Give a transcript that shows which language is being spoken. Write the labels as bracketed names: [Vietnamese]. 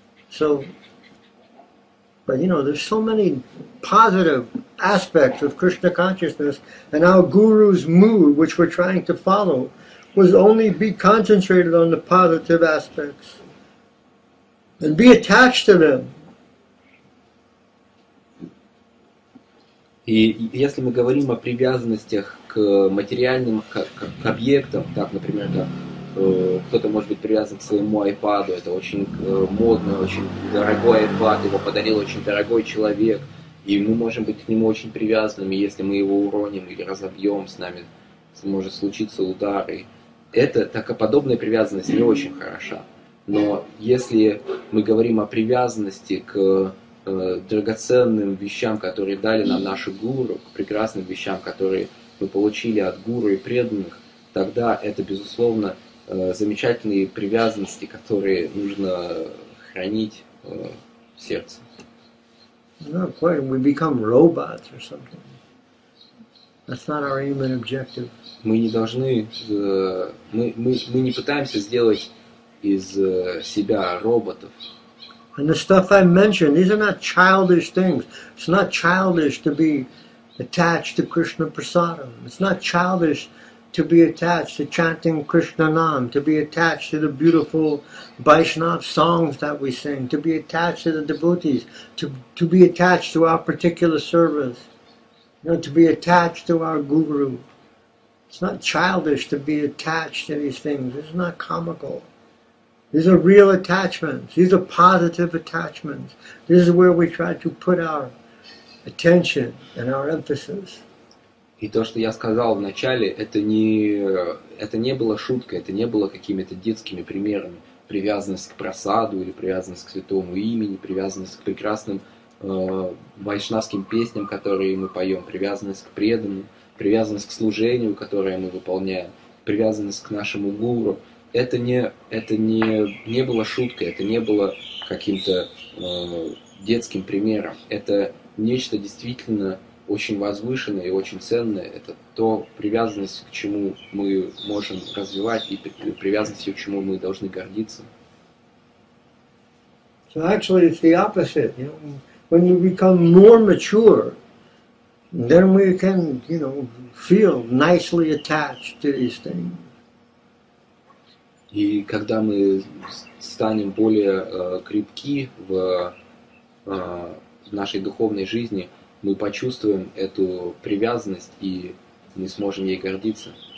[English] So, but you know, there's so many positive aspects of Krishna consciousness, and our guru's mood, which we're trying to follow, was only be concentrated on the positive aspects and be attached to them. [Russian] И если мы говорим о привязанностях к материальным к объектам, так, например, да, кто-то может быть привязан к своему iPad, это очень модный, очень дорогой iPad, его подарил очень дорогой человек, и мы можем быть к нему очень привязанными, если мы его уроним или разобьем, с нами может случиться удар. И это так, подобная привязанность не очень хороша. Но если мы говорим о привязанности к драгоценным вещам, которые дали нам наши гуру, к прекрасным вещам, которые мы получили от гуру и преданных, тогда это, безусловно, замечательные привязанности, которые нужно хранить в сердце. [English] No, quite. We become robots or something. That's not our aim and objective. [Russian] Мы не должны, мы не пытаемся сделать из себя роботов. [English] And the stuff I mentioned, these are not childish things. It's not childish to be attached to Krishna Prasadam. It's not childish to be attached to chanting Krishna Nam, to be attached to the beautiful Vaishnav songs that we sing, to be attached to the devotees, to be attached to our particular service, you know, to be attached to our guru. It's not childish to be attached to these things. It's not comical. These are real attachments. These are positive attachments. This is where we try to put our attention and our emphasis. [Russian] И то, что я сказал в начале, это не было шуткой, это не было какими-то детскими примерами. Привязанность к просаду или привязанность к святому имени, привязанность к прекрасным вайшнавским песням, которые мы поем, привязанность к преданным, привязанность к служению, которое мы выполняем, привязанность к нашему гуру. Это не было шуткой, это не было каким-то детским примером. Это нечто действительно очень возвышенное и очень ценное. Это то привязанность, к чему мы можем развивать, и привязанность, к чему мы должны гордиться. [English] So actually it's the opposite. You know, when we become more mature, then we can, you know, feel nicely attached to these things. [Russian] И когда мы станем более крепки в нашей духовной жизни, мы почувствуем эту привязанность, и мы сможем ей гордиться.